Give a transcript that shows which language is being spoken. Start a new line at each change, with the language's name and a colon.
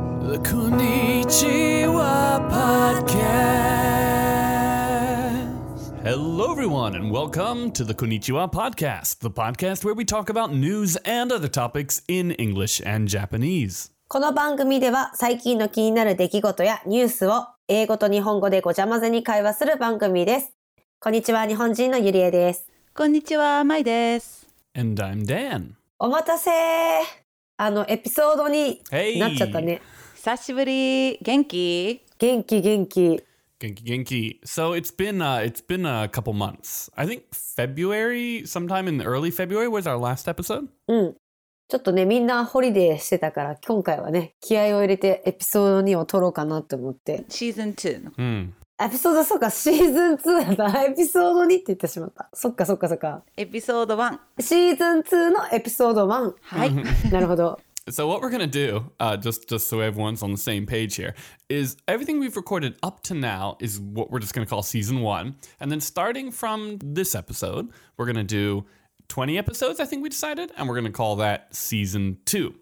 English: The Konnichiwa Podcast. Hello, everyone, and welcome to the Konnichiwa Podcast, the podcast where we talk about news and other topics in English and Japanese.
Japanese: この番組では最近の気になる出来事やニュースを英語と日本語でごちゃ混ぜに会話する番組です。こんにちは、日本人のゆりえです。こんにちは、まいです。
English: And I'm Dan.
Japanese: お待たせー。エピソードになっちゃったね。久しぶり。元気？元気元気。元気元気。
English: So it's been a couple months. I think February, sometime in early February was our last episode.
Japanese: うん。ちょっとね、みんなホリデーしてたから、今回はね、気合を入れてエピソード2を撮ろうかなと思って。シーズン2の。うん。エピソード、そうか、シーズン2だった。エピソード2って言ってしまった。そっかそっかそっか。エピソード1。シーズン2のエピソード1。はい。なるほど。
English: So what we're gonna do, just so everyone's on the same page here, is everything we've recorded up to now is what we're just gonna call season 1. And then starting from this episode, we're gonna do 20 episodes, I think we decided, and we're going to call that season two.